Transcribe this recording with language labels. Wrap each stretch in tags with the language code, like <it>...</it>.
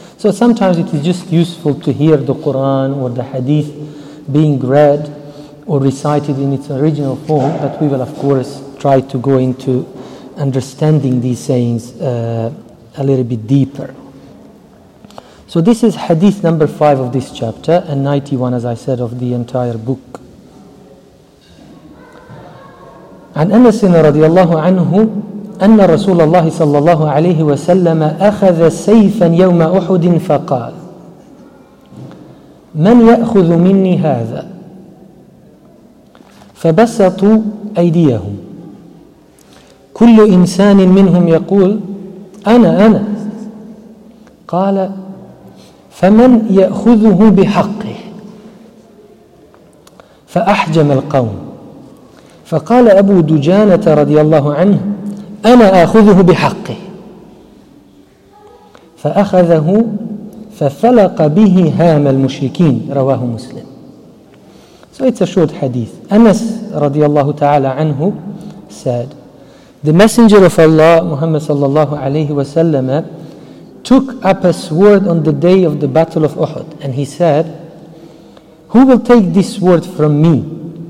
<en>So sometimes it is just useful to hear the Quran or the Hadith being read or recited in its original form, but we will of course try to go into understanding these sayings a little bit deeper. So this is Hadith number 5 of this chapter, and 91, as I said, of the entire book.</en> <ar>عن أنس رضي الله عنه أن رسول الله صلى الله عليه وسلم أخذ سيفا يوم أحد فقال من يأخذ مني هذا فبسطوا أيديهم كل إنسان منهم يقول أنا قال فمن يأخذه بحقه فأحجم القوم فقال أبو دجانة رضي الله عنه أنا آخذه بحقه فأخذه ففلق به هام المشركين رواه مسلم.</ar> <en>So it's a short hadith. Anas</en> <ar>رضي الله تعالى عنه</ar> <en>said, the messenger of Allah Muhammad sallallahu alayhi wa sallam took up a sword on the day of the battle of Uhud, and he said, who will take this sword from me?</en>